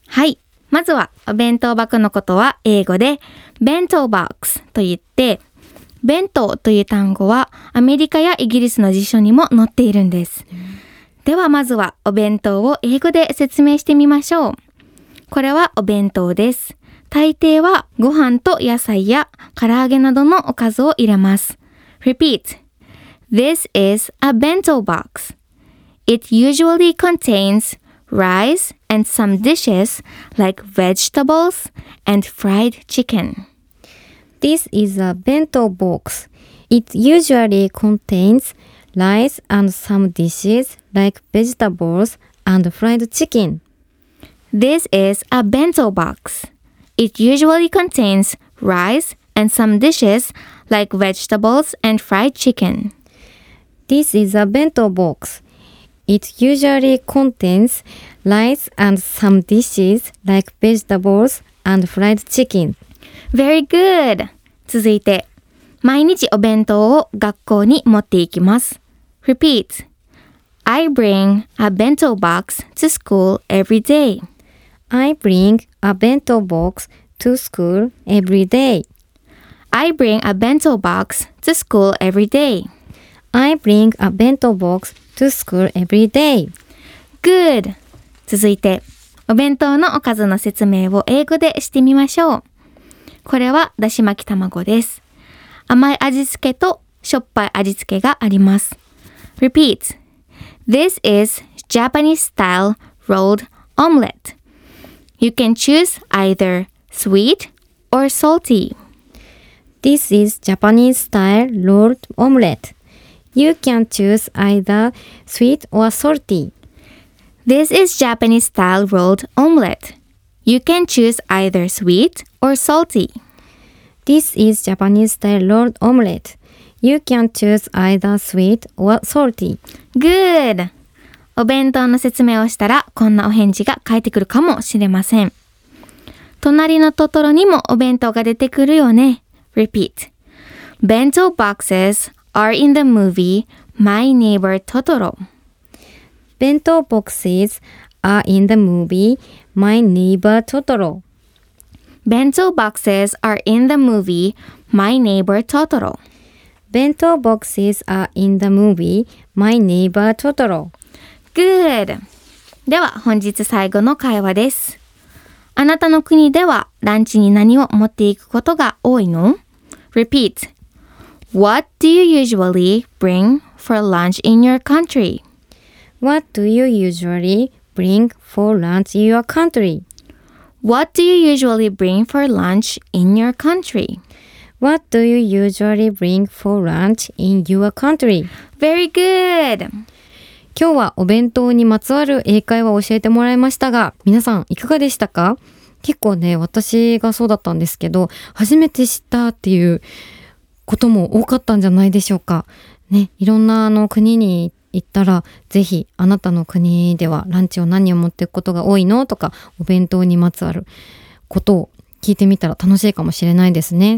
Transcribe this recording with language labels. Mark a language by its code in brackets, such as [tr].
[ja] はい、まずはお弁当箱のことは英語で弁当ボックスと言って、弁当という単語はアメリカやイギリスの辞書にも載っているんです。ではまずはお弁当を英語で説明してみましょう。これはお弁当です。大抵はご飯と野菜や唐揚げなどのおかずを入れます。 [en] Repeat. This is a bento box. It usually contains rice and some dishes like vegetables and fried chicken. This is a bento box. It usually contains rice and some dishes like vegetables and fried chicken. This is a bento box. It usually contains rice and some dishes like vegetables and fried chicken. This is a bento box. It usually contains rice and some dishes like vegetables and fried chicken. Very good! [ja] 続いて、毎日お弁当を学校に持っていきます。 [en] Repeat. I bring a bento box to school every day. I bring a bento box to school every day. I bring a bento box to school every day. I bring a bento box to school every day. Good. [ja] 続いて、お弁当のおかずの説明を英語でしてみましょう。これはだし巻き卵です。甘い味付けとしょっぱい味付けがあります。 [en] Repeat. This is Japanese style rolled omelette. You can choose either sweet or salty. This is Japanese style rolled omelette. You can choose either sweet or salty. This is Japanese style rolled omelette. You can choose either sweet or salty. This is Japanese style rolled omelette. You can choose either sweet or salty. Good! [ja] お弁当の説明をしたら、こんなお返事が返ってくるかもしれません。隣のトトロにもお弁当が出てくるよね。 [en] Repeat. Bento boxes are in the movie My Neighbor Totoro. Bento boxes are in the movie My Neighbor Totoro. Bento boxes are in the movie My Neighbor Totoro. Bento boxes are in the movie My Neighbor Totoro. Good! [ja] では本日最後の会話です。あなたの国ではランチに何を持っていくことが多いの？ [en] Repeat. What do you usually bring for lunch in your country? What do you usually bring for lunch in your country? What do you usually bring for lunch in your country? What do you usually bring for lunch in your country? Very good! [ja] 今日はお弁当にまつわる英会話を教えてもらいましたが、皆さんいかがでしたか？結構ね、私がそうだったんですけど、初めて知ったっていうことも多かったんじゃないでしょうか。ね、いろんなあの国に行ったら、ぜひあなたの国ではランチを何を持っていくことが多いのとか、お弁当にまつわることを聞いてみたら楽しいかもしれないですね。